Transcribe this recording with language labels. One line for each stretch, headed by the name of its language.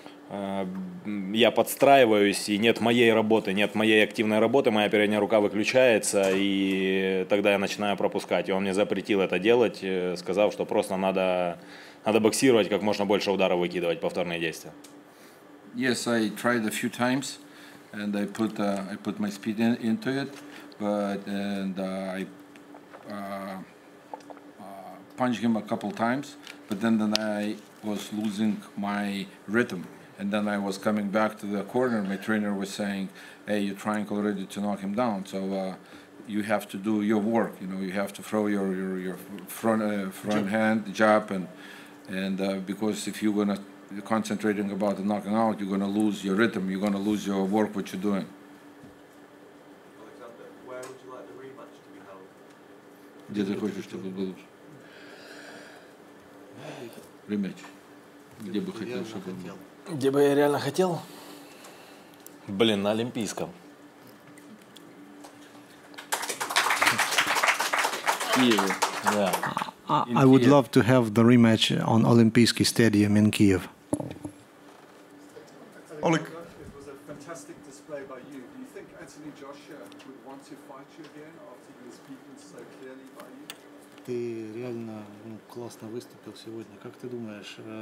Russian: я подстраиваюсь, и нет моей работы, нет моей активной работы, моя передняя рука выключается, и тогда я начинаю пропускать. И он мне запретил это делать, сказав, что просто надо боксировать, как можно больше ударов выкидывать, повторные действия.
English: Yes, I tried a few times, and I put my speed into it, but and I punched him a couple times, but then I was losing my rhythm. And then I was coming back to the corner. My trainer was saying, "Hey, you're trying already to knock him down. So you have to do your work. You know, you have to throw your front jab. Hand jab, and because if you're gonna you're concentrating about the knocking out, you're gonna lose your rhythm. You're gonna lose your work. What you're doing." Alexander, where would you like the rematch to be held?
Russian: Где ты хочешь, чтобы был рематч? Где бы хотел, чтобы он был? Где бы я реально хотел? Блин, на Олимпийском. Киеве.
English: I would love to have the rematch on Olympijski stadium in Kiev. Oleg, it was a fantastic display by you. Do you think Anthony Joshua would want to fight you again after you speaking so clearly by you?
Russian: Ты реально классно выступил сегодня. Как ты думаешь?